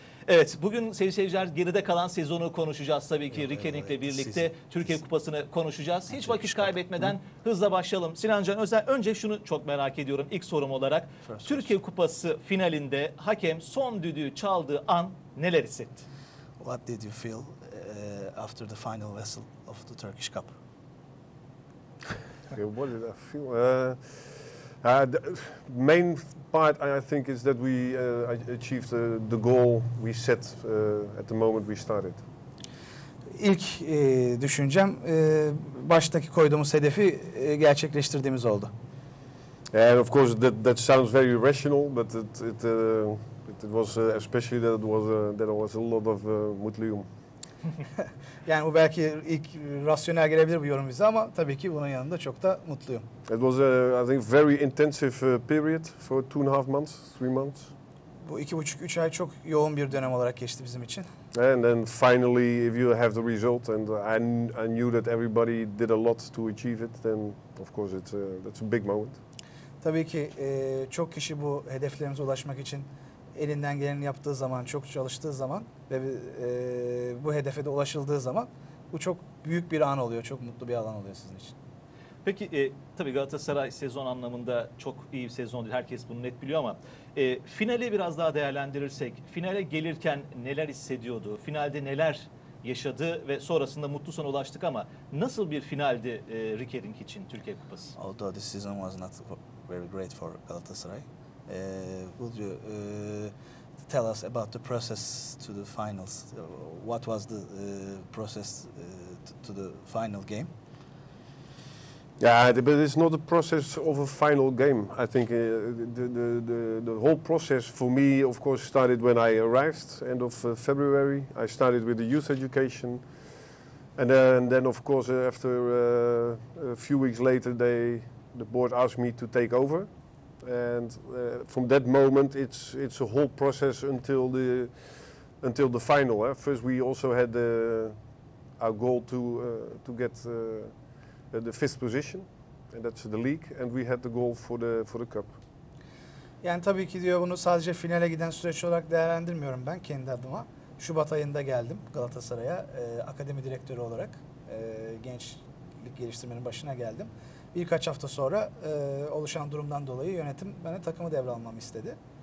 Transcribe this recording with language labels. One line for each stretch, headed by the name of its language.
Turkish: Evet, bugün sevgili seyirciler geride kalan sezonu konuşacağız tabii ki. Rikering'le birlikte Türkiye Kupası'nı konuşacağız. Hiç vakit kaybetmeden hızla başlayalım. Sinan Can Özel, önce şunu çok merak ediyorum ilk sorum olarak. Türkiye Kupası finalinde hakem son düdüğü çaldığı an neler hissetti?
English: What did you feel after the final whistle of the Turkish Cup? What did I feel? The main part, I think, is that we achieved the goal we set at the moment we started.
Turkish: İlk düşüncem baştaki koyduğumuz hedefi gerçekleştirdiğimiz oldu.
English: And of course, that sounds very rational, but it was especially that there was a lot of
Turkish: mutluyum. Yani bu belki ilk rasyonel gelebilir bu yorum bize ama tabii ki bunun yanında çok da mutluyum.
English: It was a, I think, very intensive period for 2.5 months, 3 months.
Turkish: Bu 2.5-3 ay çok yoğun bir dönem olarak geçti bizim için.
English: And then finally, if you have the result, and I knew that everybody did a lot to achieve it, then of course that's a big moment.
Turkish: Tabii ki çok kişi bu hedeflerimize ulaşmak için elinden geleni yaptığı zaman, çok çalıştığı zaman ve bu hedefe de ulaşıldığı zaman bu çok büyük bir an oluyor, çok mutlu bir alan oluyor sizin için. Peki tabii Galatasaray sezon anlamında çok iyi bir sezon değil, herkes bunu net biliyor ama finali biraz daha değerlendirirsek, finale gelirken neler hissediyordu, finalde neler yaşadı ve sonrasında mutlu sona ulaştık ama nasıl bir finaldi Rikering için Türkiye Kupası?
English: Although this season was not very great for Galatasaray. Would you tell us about the process to the finals? What was the process to the final game? Yeah, but it's not a process of a final game. I think the whole process for me, of course, started when I arrived end of February. I started with the youth education. And then of course, after a few weeks later, the board asked me to take over. And from that moment, it's a whole process until the final. First, we also had our goal to get the fifth position, and that's the league. And we had the goal for the cup.
Turkish: Yani tabii ki diyor, bunu sadece finale giden süreç olarak değerlendirmiyorum ben kendi adıma. Şubat ayında geldim Galatasaray'a akademi direktörü olarak, gençlik geliştirmenin başına geldim. Birkaç hafta sonra oluşan durumdan dolayı yönetim bana takımı devralmamı istedi.